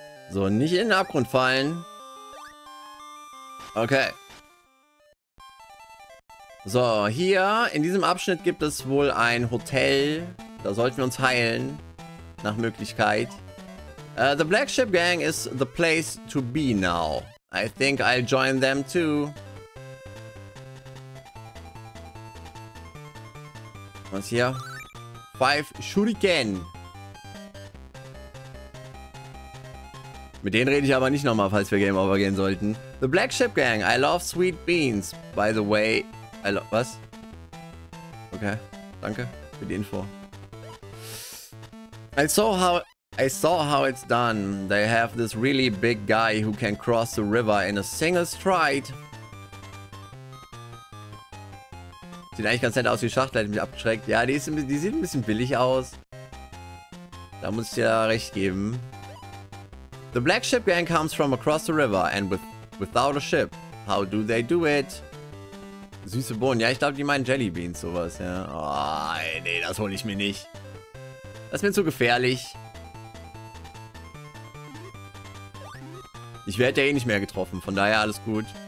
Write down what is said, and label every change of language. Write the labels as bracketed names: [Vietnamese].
[German] So, nicht in den Abgrund fallen. Okay. So, hier in diesem Abschnitt gibt es wohl ein Hotel. Da sollten wir uns heilen. Nach Möglichkeit. [English] The Black Ship Gang is the place to be now. I think I'll join them too. [German] Was hier? 5 Shuriken. Mit denen rede ich aber nicht nochmal, falls wir Game Over gehen sollten. [English] The Black Ship Gang, I love sweet beans. By the way, I love... [German] Was? Okay, danke für die Info. [English] I saw how it's done. They have this really big guy who can cross the river in a single stride. [German] Sieht eigentlich ganz nett aus, wie Schachtel, hat mich abgeschreckt. Ja, die sieht ein bisschen billig aus. Da muss ich dir recht geben. [English] The Black Ship Gang comes from across the river and without a ship. How do they do it? [German] Süße Bohnen. Ja, ich glaube, die meinen Jelly Beans, sowas, ja. Oh, nee, das hole ich mir nicht. Das ist mir zu gefährlich. Ich werde ja eh nicht mehr getroffen, von daher alles gut.